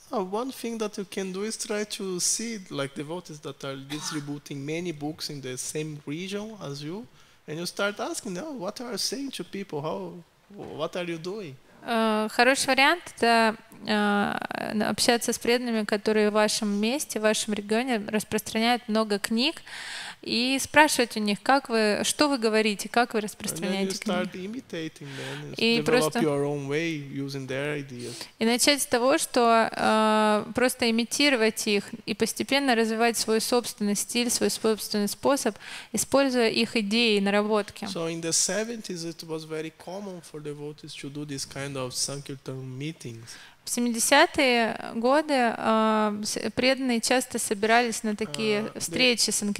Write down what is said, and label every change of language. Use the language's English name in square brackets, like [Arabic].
[English] Oh, one thing that you can do is try to see like devotees that are distributing many books in the same region as you, and you start asking them, oh, "What are you saying to people? What are you doing?" [Russian] Хороший вариант – это общаться с преданными, которые в вашем месте, в вашем регионе распространяют много книг, и спрашивать у них, как вы, что вы говорите, как вы распространяете книги. И просто [English] your own way using their ideas. [Russian] И начать с того, что просто имитировать их и постепенно развивать свой собственный стиль, свой собственный способ, используя их идеи, наработки. [English] So in the 70s it was very common for devotees to do this kind of sankirtan meetings. [Russian] В 70-е годы преданные часто собирались на такие встречи